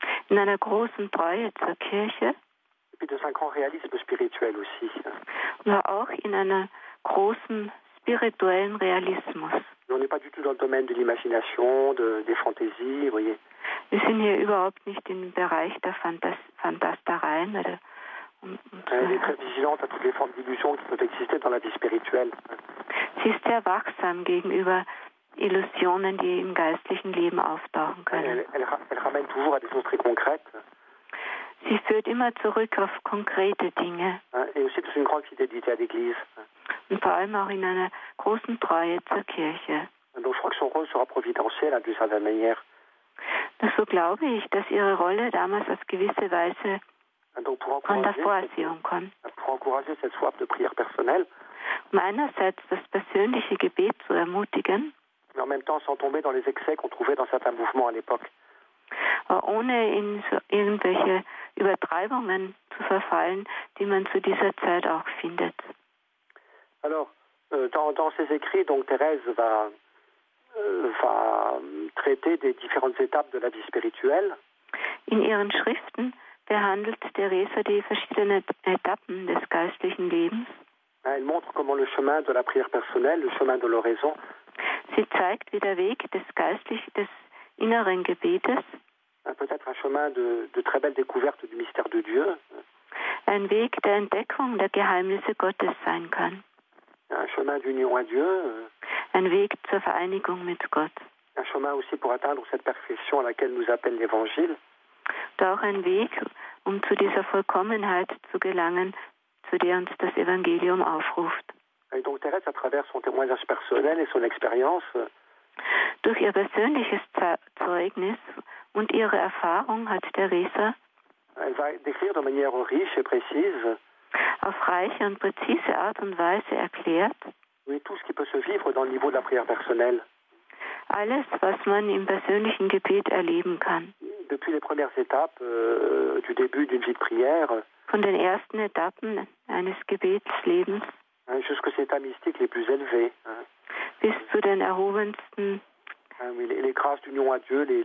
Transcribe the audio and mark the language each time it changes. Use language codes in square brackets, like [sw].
[de] In einer großen Treue zur Kirche. [fr] Et puis dans un grand réalisme spirituel aussi. [de] Mais auch in einer großen spirituellen Realismus. [fr] On n'est pas du tout dans le domaine de l'imagination, des fantaisies, vous voyez. [de] Wir sind hier überhaupt nicht im Bereich der Fantastereien. Oder, [fr] Elle est très vigilante à toutes les formes d'illusions qui peuvent exister dans la vie spirituelle. [de] Sie ist sehr wachsam gegenüber Illusionen, die im geistlichen Leben auftauchen können. [fr] Elle ramène toujours à des choses très concrètes. [de] Sie führt immer zurück auf konkrete Dinge. [fr] Et aussi dans une grande fidélité à l'Église. [de] Und vor allem auch in einer großen Treue zur Kirche. [fr] Donc je crois que son rôle sera providentiel, d'une certaine manière. [de] So glaube ich, dass ihre Rolle damals auf gewisse Weise von der Vorsehung kommt. Um einerseits das persönliche Gebet zu ermutigen, [fr] mais en même temps sans tomber dans les excès qu'on trouvait dans certains mouvements à l'époque. [de] Ohne in so irgendwelche Übertreibungen zu verfallen, die man zu dieser Zeit auch findet. [fr] Alors, dans ses écrits, donc Thérèse va traiter des différentes étapes de la vie spirituelle. [de] In ihren Schriften behandelt Thérèse die verschiedenen Etappen des geistlichen Lebens. [fr] Elle montre comment le chemin de la prière personnelle, le chemin de l'oraison. [de] Sie zeigt, wie der Weg des inneren Gebetes. [fr] Peut-être un chemin de très belles découvertes du mystère de Dieu. [de] Ein Weg der Entdeckung der Geheimnisse Gottes sein kann. [fr] Un chemin d'union à Dieu. [de] Ein Weg zur Vereinigung mit Gott. [fr] Un chemin aussi pour atteindre cette perfection à laquelle nous appelle l'Évangile. [de] Und auch ein Weg, um zu dieser Vollkommenheit zu gelangen, zu der uns das Evangelium aufruft. [fr] Et donc Thérèse, à travers son témoignage personnel et son expérience. [de] Durch ihr persönliches Zeugnis und ihre Erfahrung hat Thérèse. [fr] Elle va décrire de manière riche et précise. [de] Auf reiche und präzise Art und Weise erklärt. [fr] Oui, tout ce qui peut se vivre dans le niveau de la prière personnelle. [de] Alles, was man im persönlichen Gebet erleben kann. [fr] Depuis les premières étapes du début d'une vie de prière. [de] Von den ersten Etappen eines Gebetslebens. [fr] Jusqu'aux états mystiques les plus élevés. [de] Bis zu den erhobensten [fr] les grâces d'union à Dieu, les